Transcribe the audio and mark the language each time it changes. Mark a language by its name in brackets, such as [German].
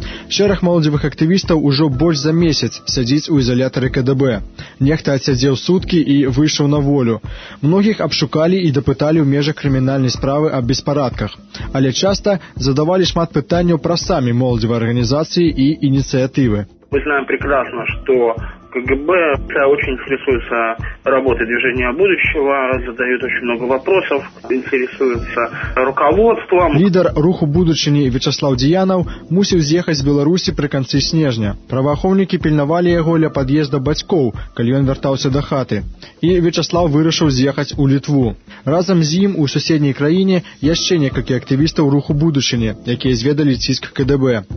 [Belarusian] Шэраг моладзевых актывістаў ўжо больш за месяц сядзіць у ізалятары КДБ. Нехта адсядзеў суткі і выйшаў на волю. Многіх абшукалі і дапыталі ў межах крымінальнай справы аб беспарадках, але часта задавалі шмат пытанняў пра самі моладзевыя арганізацыі і ініцыятывы. [Russian] Мы знаем прекрасно, что КГБ очень интересуется работой движения будущего, задают очень много вопросов, интересуется руководством. [Belarusian] Лидер руху будучыні Вячаслав Дзіянаў мусіў з'ехаць з Беларусі пры канцы снежня. Праваахоўнікі пільнавалі яго ля пад'езда бацькоў, калі ён вяртаўся да хаты. І Вячаслав вырашыў з'ехаць у Літву. Разам з ім у суседняй краіне яшчэ некалькі актывістаў руху будучыні, якія зведалі ціск КДБ.